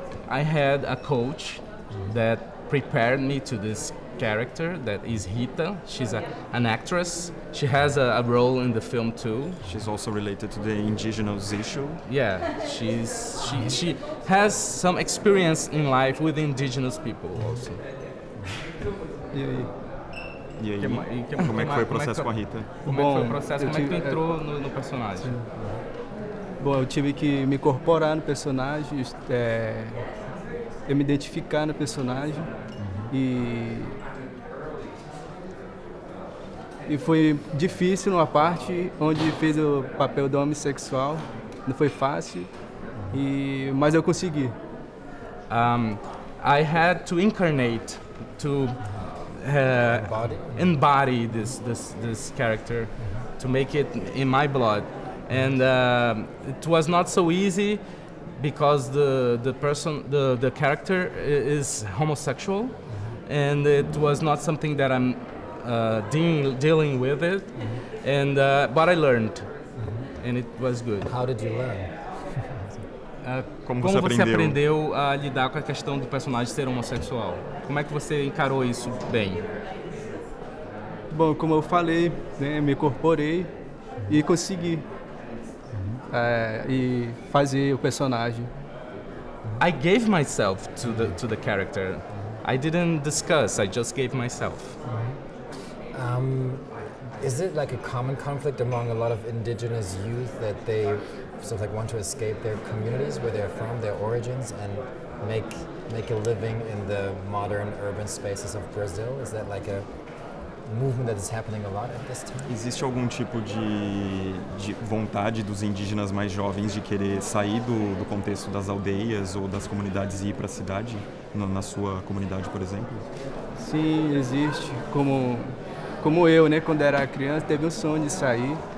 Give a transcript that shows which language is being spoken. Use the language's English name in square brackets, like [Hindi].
[English] I had a coach that prepared me to this character that is Rita. She's an actress. She has a role in the film too. She's also related to the indigenous issue. Yeah, she has some experience in life with indigenous people also. [Portuguese] E aí, como é que foi o processo com a Rita? Como é que tu entrou no personagem? Bom, eu tive que me incorporar no personagem, eu me identificar no personagem, uhum. e foi difícil numa parte onde fez o papel do homossexual, não foi fácil, mas eu consegui. [English] I had to incarnate, to embody this character, to make it in my blood. And it was not so easy because the character is homosexual, and it was not something that I'm dealing with it. Mm-hmm. And but I learned, and it was good. How did you learn? [Portuguese] Como você aprendeu a lidar com a questão do personagem ser homossexual? Como é que você encarou isso bem? Bom, como eu falei, né, me incorporei e consegui e fazer o personagem. [English] I gave myself to the character. I didn't discuss. I just gave myself. Is it like a common conflict among a lot of indigenous youth that they sort of like want to escape their communities where they're from, their origins, and make a living in the modern urban spaces of Brazil? Is that like a movement that is happening a lot at this time? [Portuguese] Existe algum tipo de vontade dos indígenas mais jovens de querer sair do contexto das aldeias ou das comunidades e ir para a cidade, na sua comunidade, por exemplo? Sim, existe. Como eu, né, quando era criança, teve um sonho de sair.